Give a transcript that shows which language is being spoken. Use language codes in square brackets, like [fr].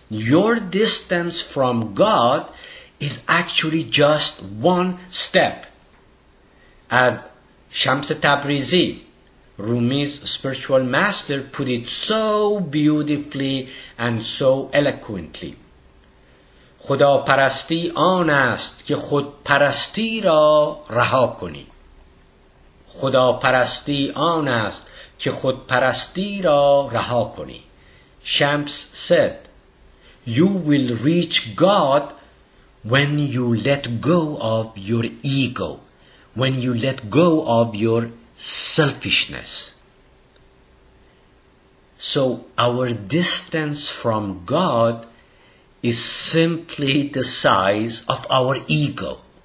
[en] Your distance from God is actually just one step. As Shams Tabrizi, Rumi's spiritual master, put it so beautifully and so eloquently. [fa] خدا پرستی آن است که خود پرستی را رها کنی. خدا پرستی آن است که خود پرستی را رها کنی. [en] Shams said, you will reach God when you let go of your ego, when you let go of your selfishness. So our distance from God is simply the size of our ego.